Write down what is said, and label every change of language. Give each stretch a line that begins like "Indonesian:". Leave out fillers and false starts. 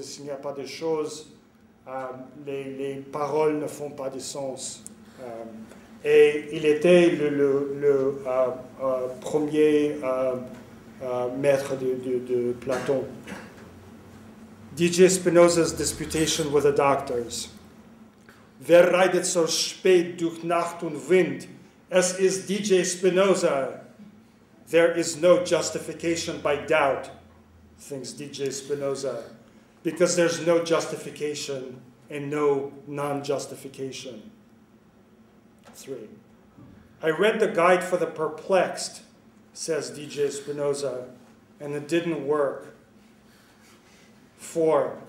French: Et s'il n'y a pas de choses, les paroles ne font pas de sens. Et il était le premier maître de Platon.
English: DJ Spinoza's disputation with the doctors.
German: Wer reitet so spät durch Nacht und Wind? Es ist DJ Spinoza.
English: There is no justification by doubt, thinks DJ Spinoza, because there's no justification and no non-justification. 3. I read the guide for the perplexed, says DJ Spinoza, and it didn't work. 4.